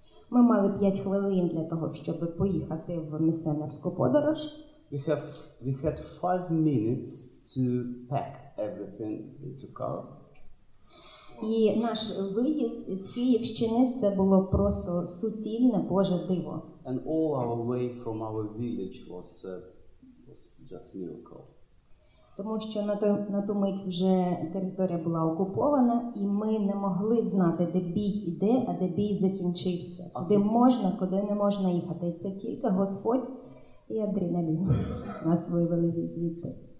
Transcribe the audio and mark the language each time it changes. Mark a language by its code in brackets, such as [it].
[uk] Ми мали 5 хвилин для того, щоб поїхати в місіонерську подорож. [en] We had 5 minutes to pack everything into car. [uk] І наш виїзд із Київщини це було просто суцільне Боже диво. [en] And all our way from our village was just miracle. [uk] Тому що на ту мить вже територія була окупована, і ми не могли знати, де бій іде, а де бій закінчився. Куди можна, куди не можна їхати. Це тільки Господь і адреналін нас вивели звідти.